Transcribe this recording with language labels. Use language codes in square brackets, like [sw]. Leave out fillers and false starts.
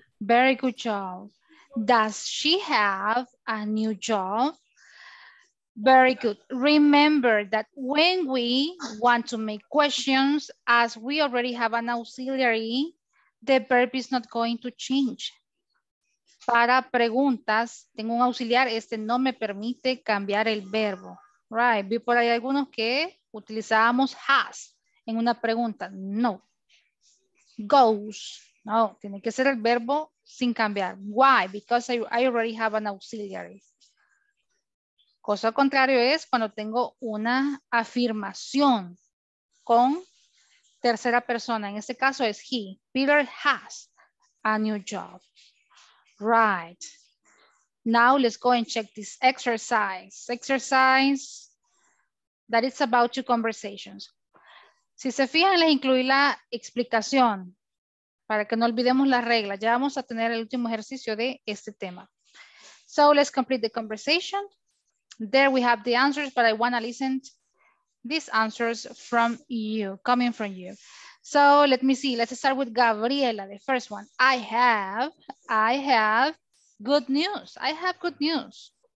[en] Very good job. Does she have a new job? Very good. Remember that when we want to make questions, as we already have an auxiliary, the verb is not going to change. [es] Para preguntas, tengo un auxiliar, este no me permite cambiar el verbo. [en] Right, [es] vi por ahí algunos que utilizábamos has en una pregunta. No. Goes. No, tiene que ser el verbo sin cambiar. [en] Why? Because I already have an auxiliary. [es] Cosa contrario es cuando tengo una afirmación con tercera persona. En este caso es he. [en] Peter has a new job. Right. Now let's go and check this exercise. Exercise that is about two conversations. [es] Si se fijan, les incluí la explicación para que no olvidemos la regla. Ya vamos a tener el último ejercicio de este tema. [en] So let's complete the conversation. There we have the answers, but I want to listen these answers from you, coming from you. So let me see. Let's start with Gabriela, the first one. I have good news. I have good news.